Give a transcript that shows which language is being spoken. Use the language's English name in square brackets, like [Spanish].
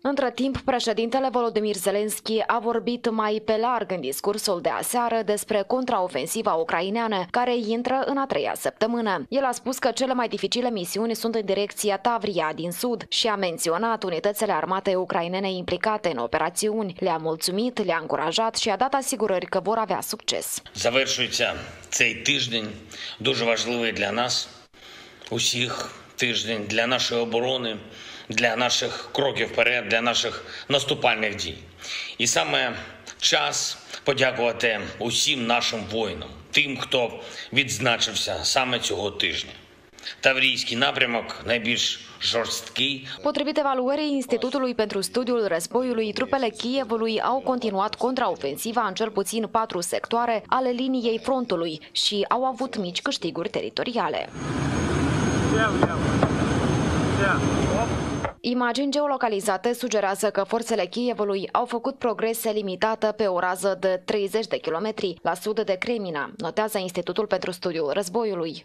[Romanian] Între timp, președintele Volodymyr Zelensky a vorbit mai pe larg în discursul de aseară despre contraofensiva ucraineană, care intră în a 3-a săptămână. El a spus că cele mai dificile misiuni sunt în direcția Tavria din sud și a menționat unitățile armatei ucrainene implicate în operațiuni. Le-a mulțumit, le-a încurajat și a dat asigurări că vor avea succes. [Ukrainian] Завершується цей тиждень, дуже важливий для нас, усіх тиждень, для нашої оборони, для наших кроків вперед, для наших наступальних дій. І саме час подякувати усім нашим воїнам, тим, хто відзначився саме цього тижня. Таврійський напрямок найбільш жорсткий. Потребіте валуерії [Romanian] Інститутului pentru studiul războiului, trupele Kievului au continuat contraofensiva în cel puțin 4 sectoare ale liniei frontului și au avut mici câștiguri teritoriale. Imagini geolocalizate sugerează că forțele Kievului au făcut progrese limitate pe o rază de 30 de kilometri la sud de Kremina, notează Institutul pentru Studiul Războiului.